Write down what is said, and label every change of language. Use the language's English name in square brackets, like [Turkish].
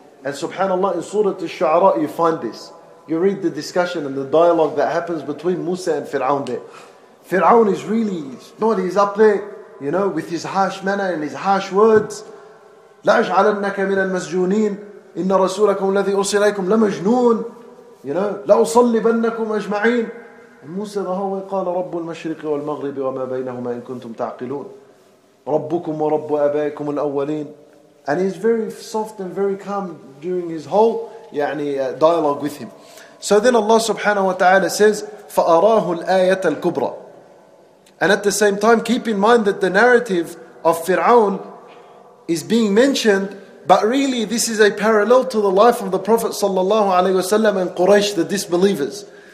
[English] And subhanAllah, in Surah Al-Shu'ara, you find this. You read the discussion and the dialogue that happens between Musa and Fir'aun there. Fir'aun is really, he's up there, you know, with his harsh manner and his harsh words. [Arabic] لَأَجْعَلَنَّكَ مِنَ الْمَسْجُونِينَ إِنَّ رَسُولَكُمْ الَّذِي أُرْسِلَ إِلَيْكُمْ لَمَجْنُونَ. [English] You know, [Arabic] لَأُصَلِّبَنَّكُمْ أَجْمَعِينَ. [English] And Musa the whole way, [Arabic] قَالَ رَبُّ الْمَشْرِقِ وَالْمَغْرِبِ وَمَا بَيْنَهُمَا إِن كُنْتُمْ تَعْقِلُونَ. رَبُّكُمْ وَرَبُّ أَبَائِكُمُ الْأَوَّلِينَ. [English] And he's very soft and very calm during his whole dialogue with him. So then Allah subhanahu wa ta'ala says, [Arabic] فَأَرَاهُ الْآيَةَ الْكُبْرَى. [English] And at the same time, keep in mind that the narrative of Fir'aun is being mentioned, but really this is a parallel to the life of the Prophet sallallahu alaihi wasallam and Quraysh, the disbelievers.